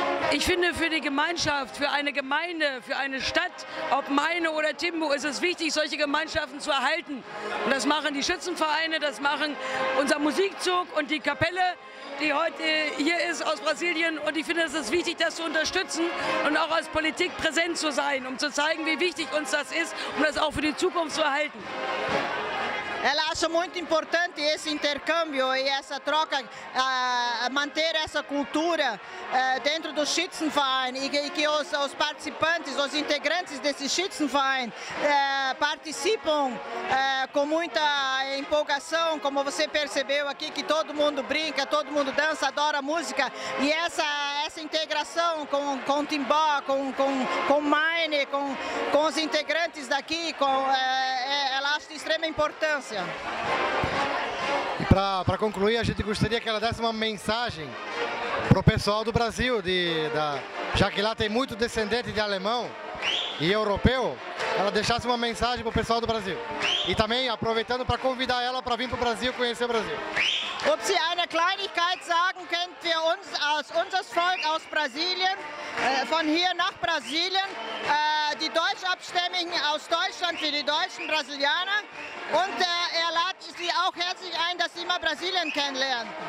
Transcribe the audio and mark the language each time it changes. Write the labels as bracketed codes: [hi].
[de] Ich finde für die Gemeinschaft, für eine Gemeinde, für eine Stadt, ob Maine oder Timbo, ist es wichtig, solche Gemeinschaften zu erhalten. Und das machen die Schützenvereine, das machen unser Musikzug und die Kapelle, die heute hier ist aus Brasilien. Und ich finde, es ist wichtig, das zu unterstützen und auch als Politik präsent zu sein, um zu zeigen, wie wichtig uns das ist, um das auch für die Zukunft zu erhalten. [pt] Ela acha muito importante esse intercâmbio e essa troca, manter essa cultura dentro do Schützenverein e que os participantes, os integrantes desse Schützenverein participam com muita empolgação, como você percebeu aqui, que todo mundo brinca, todo mundo dança, adora música e essa integração com timbó, com Maine, com os integrantes daqui, ela acha de extrema importância. E para concluir, a gente gostaria que ela desse uma mensagem para o pessoal do Brasil, já que lá tem muito descendente de alemão e europeu, ela deixasse uma mensagem para o pessoal do Brasil. E também aproveitando para convidar ela para vir para o Brasil, conhecer o Brasil. [de] Ob sie eine Kleinigkeit sagen könnt für uns, aus unseres Volk aus Brasilien, von hier nach Brasilien, die Deutschabstämmigen aus Deutschland für die deutschen Brasilianer. Und er lädt sie auch herzlich ein, dass sie mal Brasilien kennenlernen.